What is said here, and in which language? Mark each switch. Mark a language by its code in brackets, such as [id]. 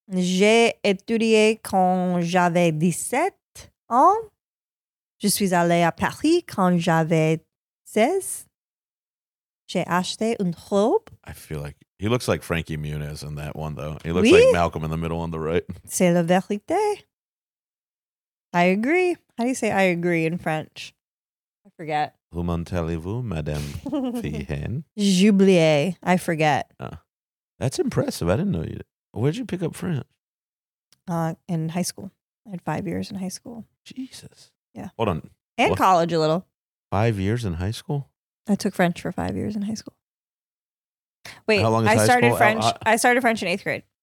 [fr] J'ai étudié quand j'avais 17 ans. Je suis allé à Paris quand j'avais 16. J'ai acheté une robe. [en] I feel like he looks like Frankie Muniz in that one, though. He looks like Malcolm in the Middle on the right. [fr] C'est la vérité. [en] I agree. How do you say I agree in French? I forget. [fr] Vous m'entendez-vous, Madame Fihen? J'oublie. [en] I forget. That's impressive. I didn't know you. Where'd you pick up French? In high school. I had 5 years in high school. Jesus. Yeah. Hold on. And college a little. 5 years in high school? I took French for 5 years in high school. Wait, how long is high school? I started French in eighth grade.